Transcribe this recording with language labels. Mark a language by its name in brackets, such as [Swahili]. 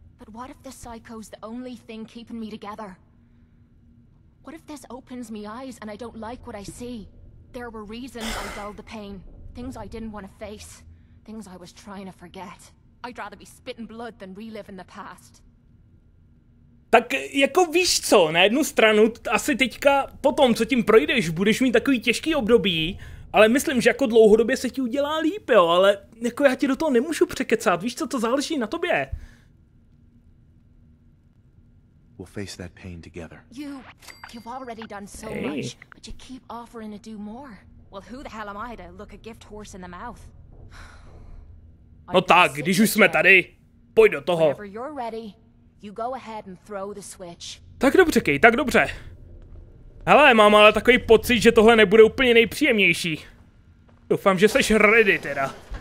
[English] But what if the psycho's the only thing keeping me together? What if this opens my eyes and I don't like what I see? There were reasons I dulled the pain. Things I didn't want to face. Things I was trying to forget. I'd rather be spitting blood than reliving the past. [Czech] Tak jako víš co, na jednu stranu asi teďka po tom, co tím projdeš, budeš mít takový těžký období, ale myslím, že jako dlouhodobě se ti udělá líp, jo, ale jako já ti do toho nemůžu překecat, víš co, to záleží na tobě. [English] We'll face that pain together. You've already done so much, but you keep offering to do more. Well, who the hell am I to look a gift horse in the mouth? [Czech] No tak, když už jsme tady, pojď do toho. [English] You go ahead and throw the switch. [Czech] Tak dobře, Kej, tak dobře. Hele, mám ale takový pocit, že tohle nebude úplně nejpříjemnější. Doufám, že seš ready teda.